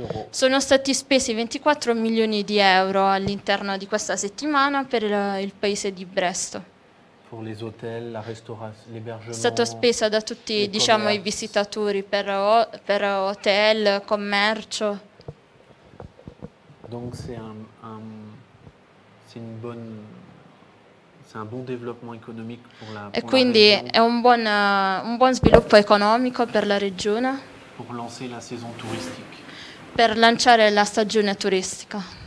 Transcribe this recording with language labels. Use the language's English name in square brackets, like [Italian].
[Italian] Sono stati spesi 24 milioni di euro all'interno di questa settimana per il paese di Brest. [French] Pour les hôtels, la restauration, l'hébergement. [Italian] È stata spesa da tutti, diciamo, i visitatori per hotel, commercio. [French] Donc c'est un bon développement économique pour la. [Italian] E quindi è un buon sviluppo economico per la regione. [French] Pour lancer la saison touristique. [Italian] Per lanciare la stagione turistica.